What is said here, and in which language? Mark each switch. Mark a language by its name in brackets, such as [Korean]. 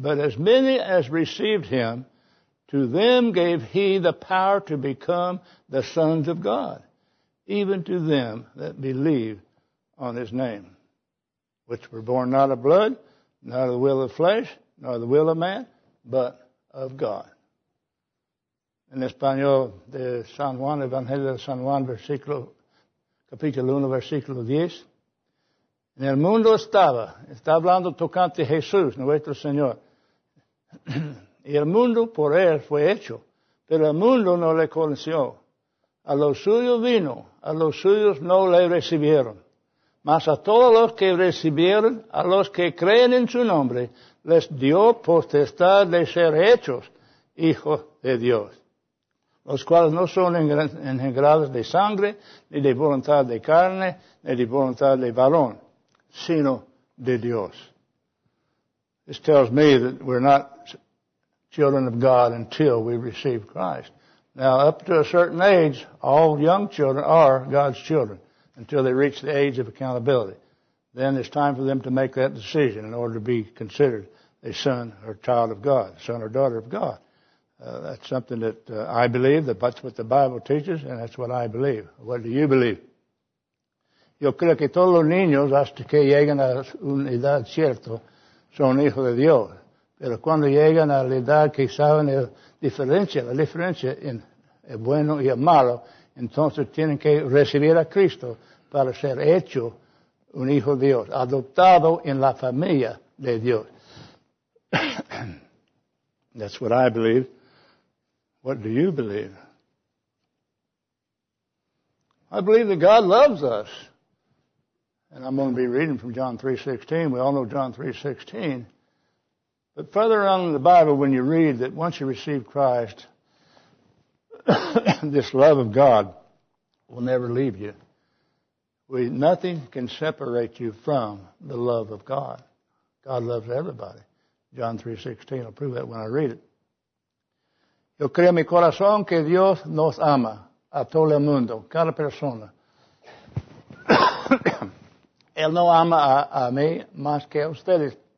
[English] But as many as received him, to them gave he the power to become the sons of God, even to them that believe on his name, which were born not of blood, not of the will of flesh, nor the will of man, but of God. [Spanish] En español, de San Juan, Evangelio de San Juan, versículo, capítulo 1, versículo 10. En el mundo estaba, está hablando tocante Jesús, nuestro Señor. Y el mundo por él fue hecho, pero el mundo no le conoció. A los suyos vino, a los suyos no le recibieron. Mas a todos los que recibieron, a los que creen en su nombre, les dio potestad de ser hechos hijos de Dios, los cuales no son engendrados de sangre, ni de voluntad de carne, ni de voluntad de varón, sino de Dios. [English] This tells me that we're not children of God until we receive Christ. Now, up to a certain age, all young children are God's children until they reach the age of accountability. Then it's time for them to make that decision in order to be considered a son or child of God, son or daughter of God. That's something that I believe, that's what the Bible teaches, and that's what I believe. What do you believe? [Spanish] Yo creo que todos los niños, hasta que lleguen a una edad cierta, son hijos de Dios. Pero cuando llegan a la edad que saben la diferencia en el bueno y el malo, entonces tienen que recibir a Cristo para ser hecho un hijo de Dios, adoptado en la familia de Dios. [English] That's what I believe. What do you believe? I believe that God loves us. And I'm going to be reading from John 3:16. We all know John 3:16. But further on in the Bible, when you read that once you receive Christ, this love of God will never leave you. Nothing can separate you from the love of God. God loves everybody. John 3:16, I'll prove that when I read it. [Spanish] Yo creo en mi corazón que Dios nos ama a todo el mundo, cada persona. Él no ama a mí más que a ustedes.